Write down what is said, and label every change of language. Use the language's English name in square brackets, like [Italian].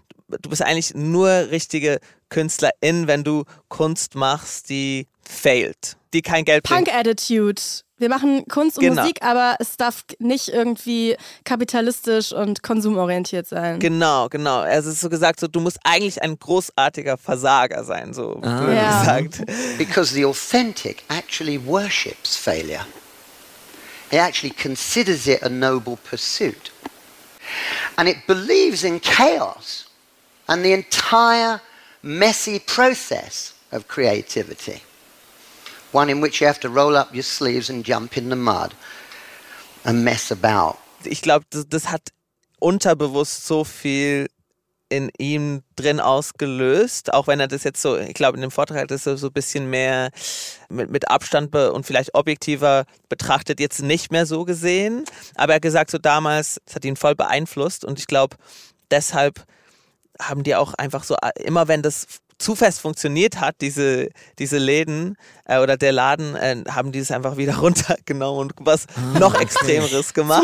[German] Du bist eigentlich nur richtige KünstlerIn, wenn du Kunst machst, die failed, die kein Geld Punk bringt. Punk-Attitude. Wir machen Kunst und genau. Musik, aber es darf nicht irgendwie kapitalistisch und konsumorientiert sein. Genau, genau. Es ist so gesagt, so, du musst eigentlich ein großartiger Versager sein, so wie ah. gesagt. [English] Because the authentic actually worships failure. He actually considers it a noble pursuit. And it believes in chaos and the entire messy process of creativity. One in which you have to roll up your sleeves and jump in the mud and mess about. [German] Ich glaube, das hat unterbewusst so viel in ihm drin ausgelöst, auch wenn er das jetzt so, ich glaube, in dem Vortrag hat er das so ein bisschen mehr mit Abstand und vielleicht objektiver betrachtet, jetzt nicht mehr so gesehen. Aber er hat gesagt, so damals, das hat ihn voll beeinflusst, und ich glaube, deshalb haben die auch einfach so, immer wenn das zu fest funktioniert hat, diese Läden oder der Laden, haben die es einfach wieder runtergenommen und was noch Extremeres gemacht.